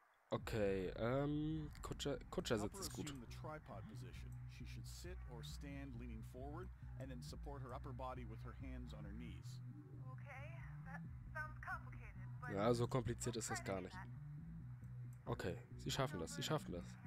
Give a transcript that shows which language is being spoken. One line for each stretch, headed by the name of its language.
German: Okay, Kutscher sitzt ist gut.
English: The tripod position. She should sit or stand leaning forward and then support her upper body with her hands on her knees. Okay, that sounds complicated.
German: Ja, so kompliziert ist das gar nicht. Okay, sie schaffen das, sie schaffen das.